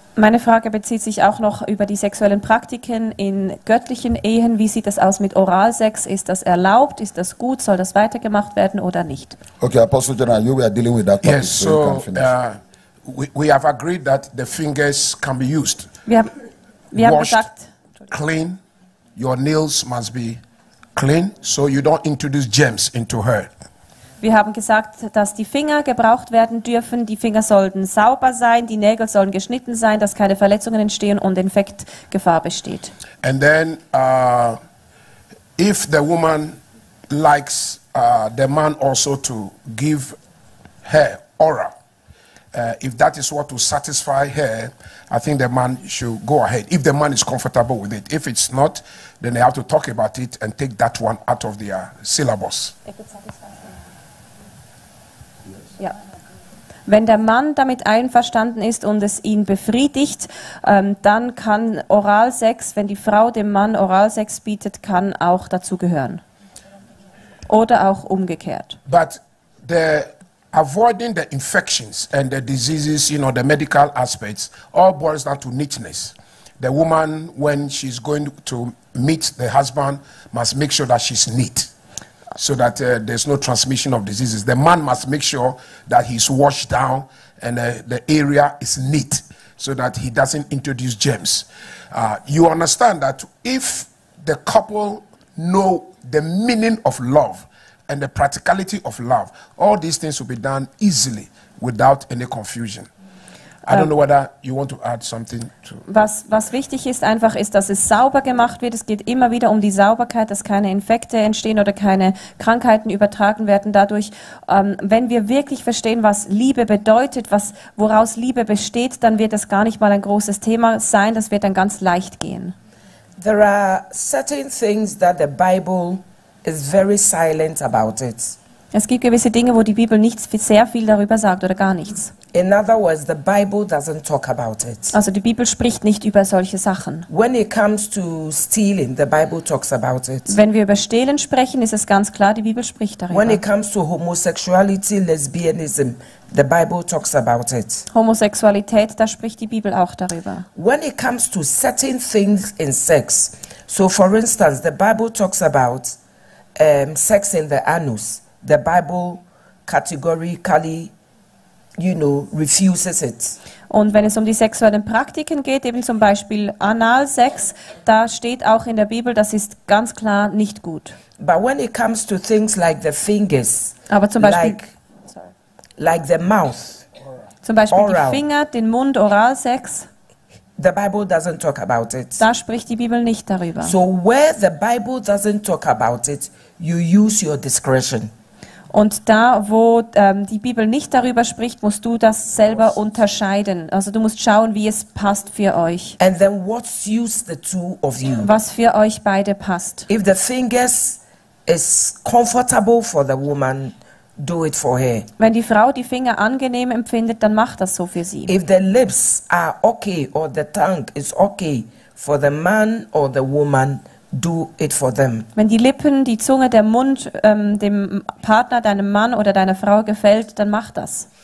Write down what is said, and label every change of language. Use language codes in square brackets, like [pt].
[de] Meine Frage bezieht sich auch noch über die sexuellen Praktiken in göttlichen Ehen. Wie sieht das aus mit Oralsex? Ist das erlaubt? Ist das gut? Soll das weitergemacht werden oder nicht? [en] Okay, Apostle General, you are dealing with that topic. Yes, so, you can finish. We have agreed that the fingers can be used. [de] Wir haben gesagt, [en] clean. Your nails must be clean, so you don't introduce germs into her. [de] Wir haben gesagt, dass die Finger gebraucht werden dürfen, die Finger sollten sauber sein, die Nägel sollen geschnitten sein, dass keine Verletzungen entstehen und Infektgefahr besteht. [en] And then if the woman likes the man also to give her aura, if that is what will satisfy her, I think the man should go ahead. If the man is comfortable with it, if it's not, then they have to talk about it and take that one out of their syllabus. [de] Ja. Wenn der Mann damit einverstanden ist und es ihn befriedigt, dann kann Oralsex, wenn die Frau dem Mann Oralsex bietet, kann auch dazu gehören. Oder auch umgekehrt. [en] But the avoiding the infections and the diseases, you know, the medical aspects, all boils down to neatness. The woman, when she's going to meet the husband, must make sure that she's neat. So that there's no transmission of diseases. The man must make sure that he's washed down and the area is neat so that he doesn't introduce germs. You understand that if the couple know the meaning of love and the practicality of love, all these things will be done easily without any confusion. I don't know whether you want to add something to. [de] Was wichtig ist einfach, ist, dass es sauber gemacht wird. Es geht immer wieder um die Sauberkeit, dass keine Infekte entstehen oder keine Krankheiten übertragen werden dadurch. Wenn wir wirklich verstehen, was Liebe bedeutet, woraus Liebe besteht, dann wird das gar nicht mal ein großes Thema sein. Das wird dann ganz leicht gehen. [en] There are certain things that the Bible is very silent about it. [de] Es gibt gewisse Dinge, wo die Bibel nicht sehr viel darüber sagt oder gar nichts. [en] In other words, the Bible doesn't talk about it. [de] Also die Bibel spricht nicht über solche Sachen. [en] When it comes to stealing, the Bible talks about it. [de] Wenn wir über Stehlen sprechen, ist es ganz klar, die Bibel spricht darüber. [en] When it comes to homosexuality, lesbianism, the Bible talks about it. [de] Homosexualität, da spricht die Bibel auch darüber. [en] When it comes to certain things in sex, so for instance, the Bible talks about sex in the anus, the Bible categorically, you know, refuses it. [de] Und wenn es um die sexuellen Praktiken geht, eben zum Beispiel Analsex, da steht auch in der Bibel, das ist ganz klar nicht gut. [en] But when it comes to things like the fingers, [de] aber zum Beispiel, [en] like the mouth, [de] zum Beispiel oral, die Finger, den Mund, Oralsex, [en] the Bible doesn't talk about it. [de] Da spricht die Bibel nicht darüber. [en] So where the Bible doesn't talk about it, you use your discretion. [de] Und da, wo die Bibel nicht darüber spricht, musst du das selber unterscheiden. Also du musst schauen, wie es passt für euch. [en] And then what's use the two of you? [de] Was für euch beide passt. [en] If the fingers is comfortable for the woman, do it for her. [de] Wenn die Frau die Finger angenehm empfindet, dann macht das so für sie. [en] If the lips are okay or the tongue is okay for the man or the woman, do it for them. [de] Wenn die Lippen, die Zunge, der Mund dem Partner, deinem Mann oder deiner Frau gefällt, dann mach das.